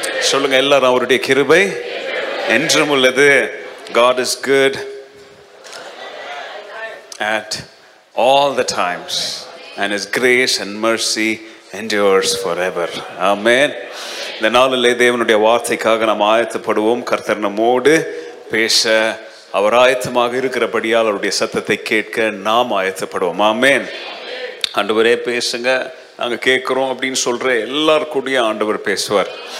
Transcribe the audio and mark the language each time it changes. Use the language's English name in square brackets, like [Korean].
[Tamil] சொல்லுங்க எல்லாரும் அவருடைய கிருபை என்றும் உள்ளது. [English] God is good at all the times and his grace and mercy endures forever. Amen. [Tamil] இந்த நாளிலே தேவனுடைய வார்த்தைக்காக நாம் ஆயத்தப்படுவோம். கர்த்தர் நம்மோடு பேச அவர் ஆயத்தமாக இருக்கிறபடியால் அவருடைய சத்தத்தை கேட்க நாம் ஆயத்தப்படுவோம். ஆமென். ஆண்டவரே பேசுங்க, நாங்கள் கேட்குறோம் அப்படின்னு சொல்கிற எல்லாருக்கூடையும் ஆண்டவர் பேசுவார்.